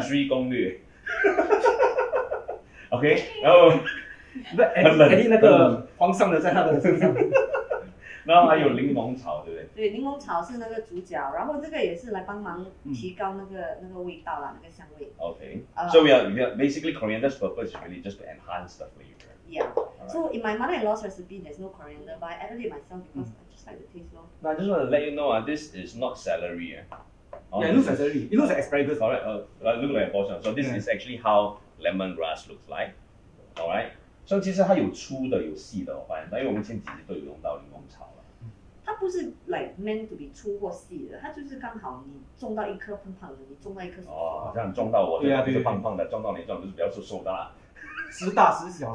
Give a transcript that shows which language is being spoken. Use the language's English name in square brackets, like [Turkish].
[Chinese] 荽攻略。 OK， 然后那Eddie那个皇上的在他的身上。然后还有柠檬草，对不对？对，柠檬草是那个主角，然后这个也是来帮忙提高那个、那个味道啦，那个香味。 [English] OK， so we are basically coriander's purpose is really just to enhance the flavor. Yeah.、Right. So in my mother-in-law's recipe, there's no coriander, but I added it myself because、I just like the taste, lor. No, I just want to let you know, this is not celery. Yeah, it looks like celery. It looks like asparagus. All right, look like a portion. So this、is actually how lemongrass looks like. All right. [Chinese] 所以其实它有粗的有细的，我发现，因为我们前几集都有用到柠檬草了。它不是 [English] like meant to be [Chinese] 粗或细的，它就是刚好你种到一颗胖胖的，你种到一颗哦，像种到我这个就是胖胖的，种到你这种就是比较瘦的啦。时大时小，